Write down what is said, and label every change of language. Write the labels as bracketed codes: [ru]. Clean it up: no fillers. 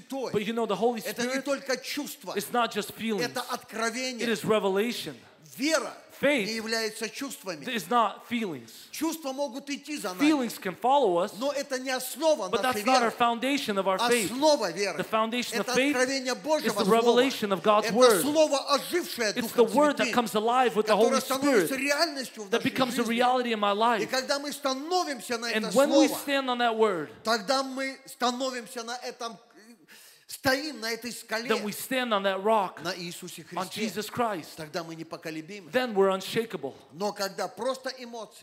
[en] But you know, the Holy Spirit, it's not just feelings, it is revelation. faith [ru] не является чувствами. [en] Is not feelings. [ru] Чувства могут идти за нами. [en] Feelings can follow us. [ru] Но это не основа нашей веры. [en] But that's not our foundation of our faith. [ru] Основа веры. [en] The foundation [ru] это [en] of faith [ru] откровение Божьего [en] is the revelation [ru] слова. [en] Of God's [ru] это [en] word. [ru] Слово, ожившее Духом [en] It's the word that comes alive with the Holy Spirit. That becomes [ru] жизни. [en] A reality in my life. [ru] И когда мы становимся на [en] And [ru] это [en] when [ru] слово, [en] we stand on that word. [ru] Тогда мы становимся на этом стоим на этой скале [en] then we stand on that rock [ru] на Иисусе Христе [en] on Jesus Christ [ru] тогда мы непоколебимы [en] then we're unshakable [ru] но когда просто эмоции